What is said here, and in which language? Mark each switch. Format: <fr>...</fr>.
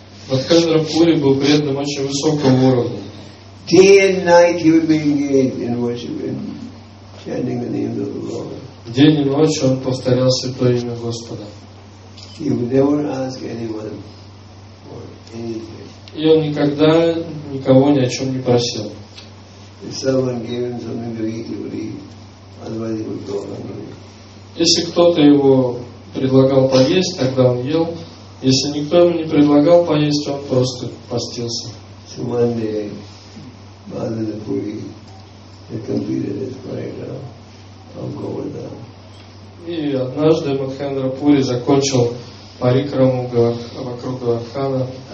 <ru>Мадхавендра Пури был преданным очень высокого уровня.</ru> <en>Day and night he would be engaged in worshiping, chanting the name of the Lord.</en> <ru>День и ночь он повторял святое имя Господа.</ru> <en>He would never ask anyone for anything.</en> <ru>И он никогда никого ни о чем не просил.</ru> <en>If someone gave him something to eat, he would eat.</en> <ru>Если кто-то его предлагал поесть, тогда он ел. Если никто ему не предлагал поесть, он просто постился. И однажды Мадхендра Пури закончил парикраму вокруг Гвардхана.</ru>